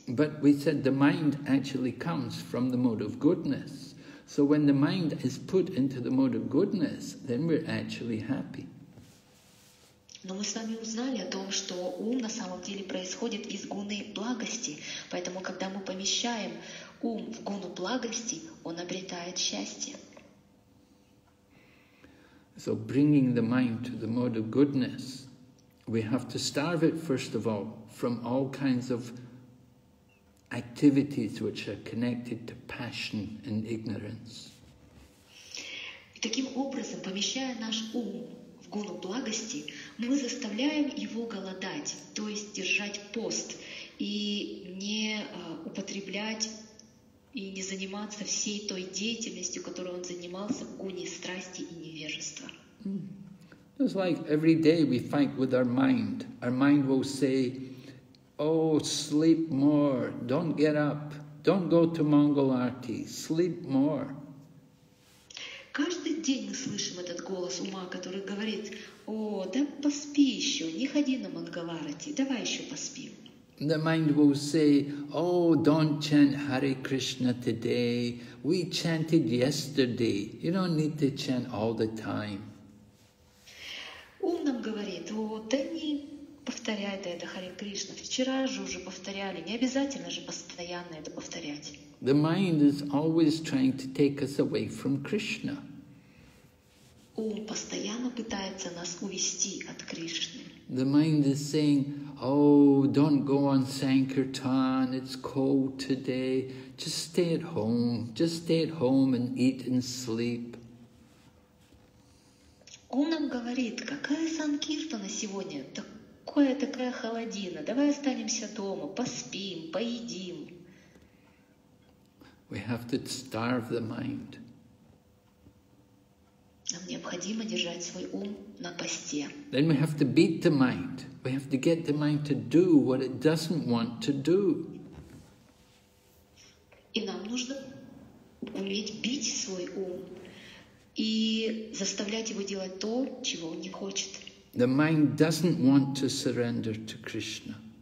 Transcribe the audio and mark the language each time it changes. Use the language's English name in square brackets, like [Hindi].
[English] But we said the mind actually comes from the mode of goodness. So when the mind is put into the mode of goodness, then we're actually happy. [Russian] Но мы с вами узнали о том, что ум на самом деле происходит из гуны благости. Поэтому, когда мы помещаем ум в гуну благости, он обретает счастье. [English] So bringing the mind to the mode of goodness, we have to starve it, first of all kinds of activities which are connected to passion and ignorance. [Russian] И таким образом, помещая наш ум в гуну благости, мы заставляем его голодать, то есть держать пост и не употреблять и не заниматься всей той деятельностью, которой он занимался в гуне страсти и невежества. [English] It's like every day we fight with our mind. Our mind will say, oh, sleep more, don't get up, don't go to Mangal Arati, sleep more. [Russian] Каждый день мы слышим этот голос ума, который говорит, о, да поспи еще, не ходи на Мангал Арати, давай еще поспим. [English] The mind will say, oh, don't chant Hare Krishna today. We chanted yesterday. You don't need to chant all the time. [Russian] Ум нам говорит, о, да не повторяй это Hare Krishna. Вчера же уже повторяли. Не обязательно же постоянно это повторять. [English] The mind is always trying to take us away from Krishna. [Russian] Ум постоянно пытается нас увести от Кришны. [English] The mind is saying, oh, don't go on Sankirtan, it's cold today. Just stay at home. Just stay at home and eat and sleep. [Russian] Ум нам говорит, какая Санкиртана сегодня? Так Какая такая холодина? Давай останемся дома, поспим, поедим. [English] We have to starve the mind. [Russian] Нам необходимо держать свой ум на посте. [English] Then we have to beat the mind. We have to get the mind to do what it doesn't want to do. [Russian] И нам нужно уметь бить свой ум и заставлять его делать то, чего он не хочет. [English] The mind doesn't want to surrender to Krishna.